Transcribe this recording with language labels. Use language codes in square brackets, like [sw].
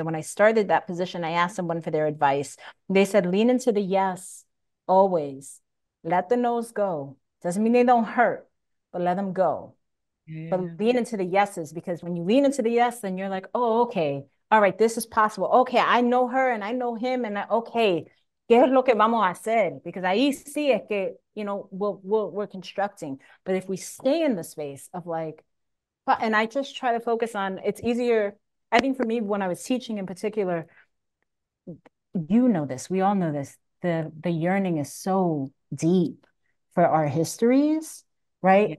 [en] And when I started that position, I asked someone for their advice. They said, lean into the yes, always. Let the no's go. Doesn't mean they don't hurt. But let them go. But lean into the yeses because when you lean into the yes, then you're like, oh, okay. All right, this is possible. Okay, I know her and I know him. And okay, [es] ¿qué es lo que vamos a hacer? [en] Because [es] ahí sí es que, [en] you know, we're constructing. But if we stay in the space of like, and I just try to focus on it's easier. I think for me, when I was teaching in particular, you know this, we all know this. The yearning is so deep for our histories. Right?